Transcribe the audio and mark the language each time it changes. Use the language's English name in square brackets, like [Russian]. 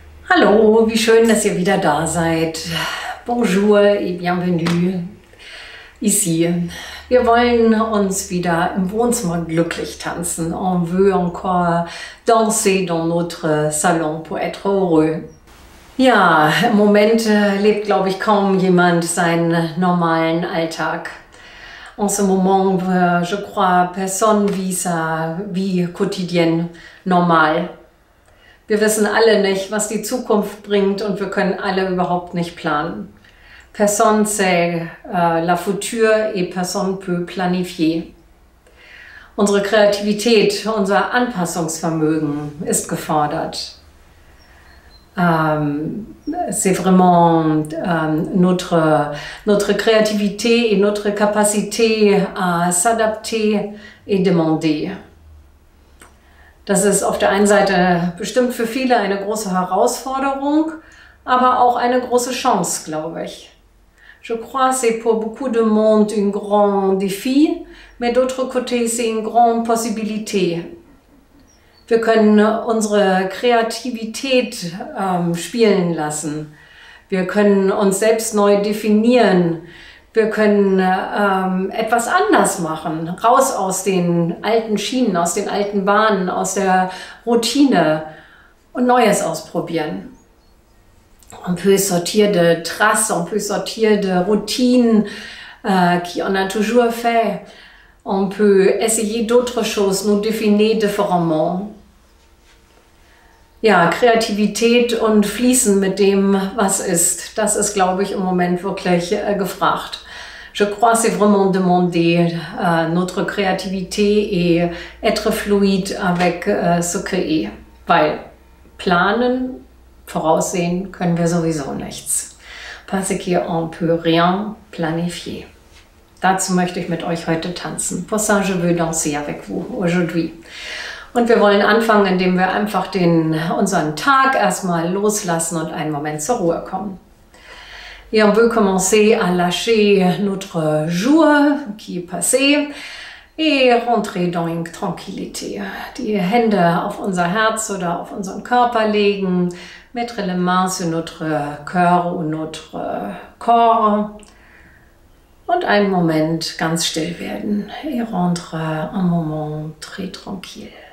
[German] Hallo, wie schön, dass ihr wieder da seid. [French] Bonjour et bienvenue ici. [German] Wir wollen uns wieder im Wohnzimmer glücklich tanzen. [French] On veut encore danser dans notre salon pour être heureux. [German] Ja, im Moment lebt, glaube ich, kaum jemand seinen normalen Alltag. [French] En ce moment, je crois, personne vit sa vie quotidienne normal. [German] Wir wissen alle nicht, was die Zukunft bringt, und wir können alle überhaupt nicht planen. [French] Personne sait la future et personne peut planifier. [German] Unsere Kreativität, unser Anpassungsvermögen ist gefordert. [French] C'est vraiment notre Kreativität et notre Kapazität à s'adapter et demander. [German] Das ist auf der einen Seite bestimmt für viele eine große Herausforderung, aber auch eine große Chance, glaube ich. [French] Je crois, c'est pour beaucoup de monde un grand défi, mais d'autre côté, c'est une grande possibilité. [German] Wir können unsere Kreativität spielen lassen. Wir können uns selbst neu definieren. Wir können etwas anders machen, raus aus den alten Schienen, aus den alten Bahnen, aus der Routine und Neues ausprobieren. [French] Un peu sortir de traces, un peu sortir de routines, qui on a toujours fait. On peut essayer d'autres choses, nous définir différemment. [German] Ja, Kreativität und fließen mit dem, was ist, das ist, glaube ich, im Moment wirklich gefragt. [French] Je crois, c'est vraiment demander notre créativité et être fluide avec ce créé. [German] Weil planen, voraussehen können wir sowieso nichts. [French] Parce qu'on ne peut rien planifier. [German] Dazu möchte ich mit euch heute tanzen. [French] Pour ça, je veux danser avec vous aujourd'hui. [German] Und wir wollen anfangen, indem wir einfach unseren Tag erstmal loslassen und einen Moment zur Ruhe kommen. [French] Et on veut commencer à lâcher notre jour qui est passé et rentrer dans une tranquillité. [German] Die Hände auf unser Herz oder auf unseren Körper legen, [French] mettre les mains sur notre cœur ou notre corps [German] und einen Moment ganz still werden. [French] Et rentre un moment très tranquille.